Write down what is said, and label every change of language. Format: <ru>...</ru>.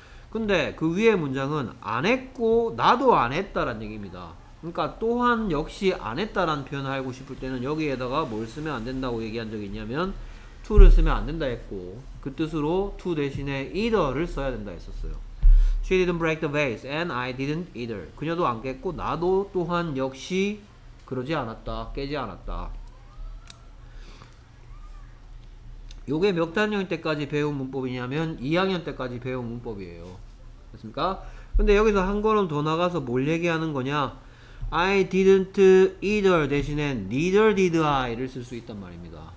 <ko>근데 그 위에 문장은 안 했고 나도 안 했다라는 얘기입니다. 그러니까 또한 역시 안 했다라는 표현을 하고 싶을 때는 여기에다가 뭘 쓰면 안 된다고 얘기한 적이 있냐면 to를 쓰면 안 된다 했고 그 뜻으로 to 대신에 either를 써야 된다 했었어요.</ko> <en>She didn't break the vase and I didn't either.</en> <ko>그녀도 안 깼고 나도 또한 역시 그러지 않았다. 깨지 않았다. 요게 몇 학년 때까지 배운 문법이냐면 2학년 때까지 배운 문법이에요. 됐습니까? 근데 여기서 한 걸음 더 나가서 뭘 얘기하는 거냐,</ko> <en>I didn't either</en> <ko>대신에</ko> <en>neither did I</en> <ko>를 쓸 수 있단 말입니다.</ko>